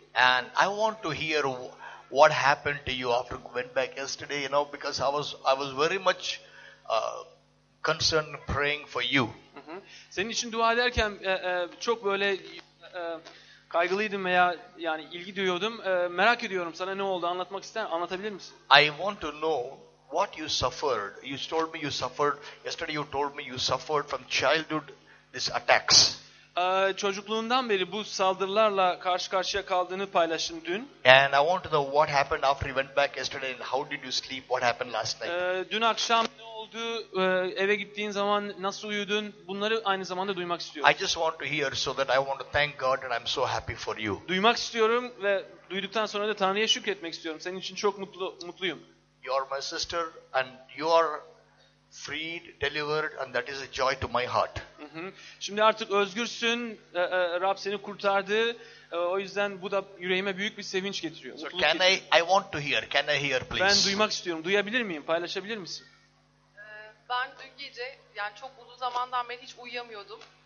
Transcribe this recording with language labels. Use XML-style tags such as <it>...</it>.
<en>And I want to hear what happened to you after went back yesterday, you know, because I was very much concerned praying for you.</en> <tr>Senin için dua ederken çok böyle kaygılıydım veya yani ilgi duyuyordum. Merak ediyorum sana ne oldu anlatmak ister misin? Anlatabilir misin?</tr> <en>I want to know what you suffered. You told me you suffered. Yesterday you told me you suffered from childhood. These attacks.</en> <tr>Çocukluğundan beri bu saldırılarla karşı karşıya kaldığını paylaştın dün.</tr> <en>And I want to know what happened after you went back yesterday and how did you sleep? What happened last night?</en> <tr>Dün akşam ne oldu? Eve gittiğin zaman nasıl uyudun? Bunları aynı zamanda duymak istiyorum.</tr> <en>I just want to hear so that I want to thank God and I'm so happy for you.</en> <tr>Duymak istiyorum ve duyduktan sonra da Tanrı'ya şükretmek istiyorum. Senin için çok mutluyum.</tr> <en>You are my sister and you are freed, delivered and that is a joy to my heart.</en> <tr>Şimdi artık özgürsün. Rab seni kurtardı. O yüzden bu da yüreğime büyük bir sevinç getiriyor.</tr> <en>So can</en> <tr>getiriyor.</tr> <en>I want to hear. Can I hear please?</en> <tr>Ben duymak istiyorum. Duyabilir miyim? Paylaşabilir misin? Ben dün gece yani çok uzun zamandan beri hiç uyuyamıyordum.</tr>